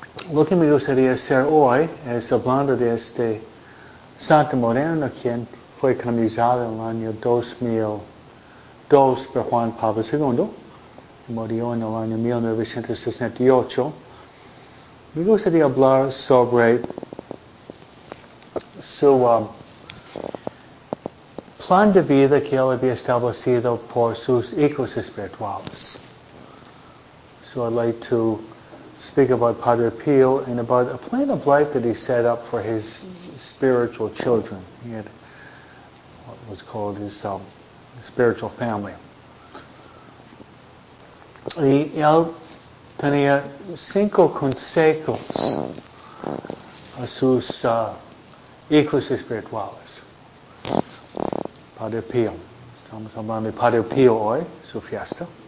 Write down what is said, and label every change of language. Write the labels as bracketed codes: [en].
[es] Lo que me gustaría hacer hoy es hablando de este santo moderno quien fue canonizado en el año 2002 por Juan Pablo II, y murió en el año 1968. Me gustaría hablar sobre su plan de vida que él había establecido por sus hijos espirituales. [en] So I'd like to speak about Padre Pio and about a plan of life that he set up for his spiritual children. He had what was called his spiritual family. [es] Y él tenía cinco consejos a sus hijos espirituales. Padre Pio. Estamos hablando de Padre Pio hoy, su fiesta.